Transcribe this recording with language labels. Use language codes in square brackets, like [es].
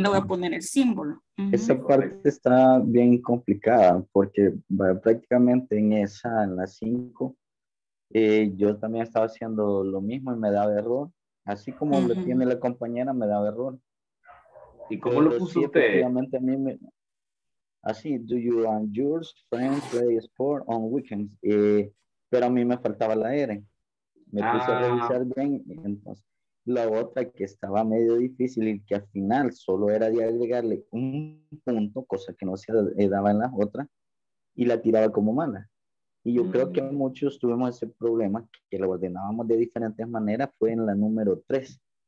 [es] le voy a poner el símbolo. Esa parte está bien complicada porque prácticamente en esa, en las 5, yo también estaba haciendo lo mismo y me daba error. Así como lo tiene la compañera, me daba error. ¿Y cómo lo puso usted? Prácticamente a mí me... Así, [en] do you and your friends play sport on weekends? [es] Pero a mí me faltaba la R. Me puse a revisar bien, entonces la otra que estaba medio difícil y que al final solo era de agregarle un punto, cosa que no se daba en las otras, y la tiraba como mala. Y yo creo que muchos tuvimos ese problema, que la ordenábamos de diferentes maneras, fue en la número 3.